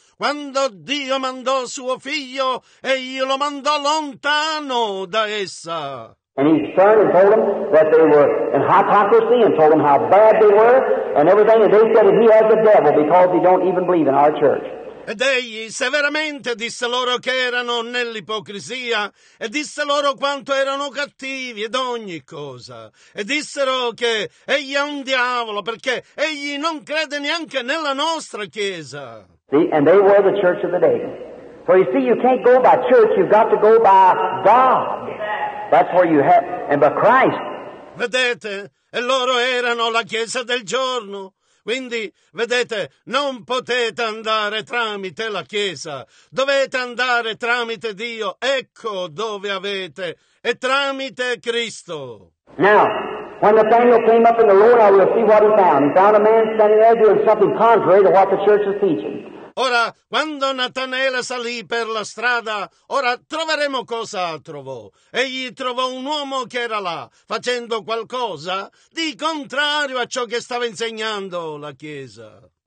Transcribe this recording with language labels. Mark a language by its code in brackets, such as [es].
[it] Quando Dio mandò suo figlio, egli lo mandò lontano da essa. [en] And he turned and told them that they were in hypocrisy and told them how bad they were and everything. And they said that he has a devil because he don't even believe in our church. [it] Ed egli severamente disse loro che erano nell'ipocrisia e disse loro quanto erano cattivi ed ogni cosa. E dissero che egli è un diavolo perché egli non crede neanche nella nostra chiesa. [en] See, and they were the church of the day. So you see, you can't go by church, you've got to go by God. That's where you have, and by Christ. [it] Vedete, e loro erano la chiesa del giorno. Quindi, vedete, non potete andare tramite la chiesa. Dovete andare tramite Dio. Ecco dove avete. E tramite Cristo. [en] Now, when Nathanael came up in the Lord, I will see what he found. He found a man standing there doing something contrary to what the church is teaching. [it] Ora, quando Natanaele salì per la strada, ora troveremo cosa trovò. Egli trovò un uomo che era là, facendo qualcosa di contrario a ciò che stava insegnando la Chiesa.